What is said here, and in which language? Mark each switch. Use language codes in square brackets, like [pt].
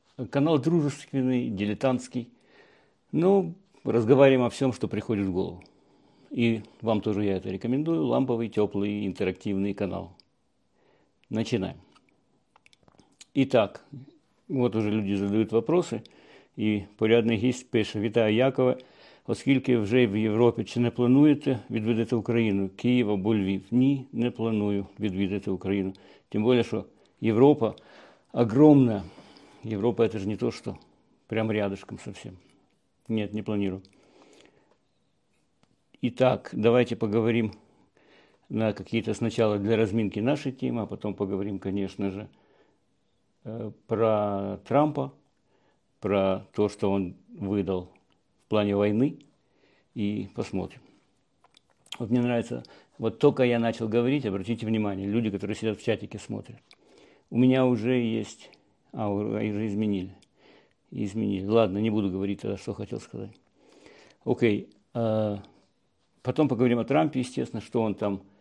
[ru] Канал дружественный, дилетантский. Ну, разговариваем о всем, что приходит в голову. И вам тоже я это рекомендую. Ламповый, теплый, интерактивный канал. Начинаем. Итак, вот уже люди задают вопросы. [uk] И порядный гість пише: «Вітаю, Якове. Оскільки вже в Європі, чи не плануєте відвідати Україну? Київ або Львів?» Ні, не планую відвідати Україну. Тим більше, що Європа огромна. Європа – це ж не то, що прямо [ru] рядышком совсем. [uk] Ні, не планую. І так, давайте поговоримо на якісь спочатку для розмінки наші теми, а потім поговоримо, звісно ж, про Трампа, про те, що він видав в [ru] плане войны, и посмотрим. Вот мне нравится, вот только я начал говорить, обратите внимание, люди, которые сидят в чатике, смотрят. У меня уже есть... А, уже изменили. Изменили. Ладно, не буду говорить тогда, что хотел сказать. Окей. Потом поговорим о Трампе, естественно, что он там...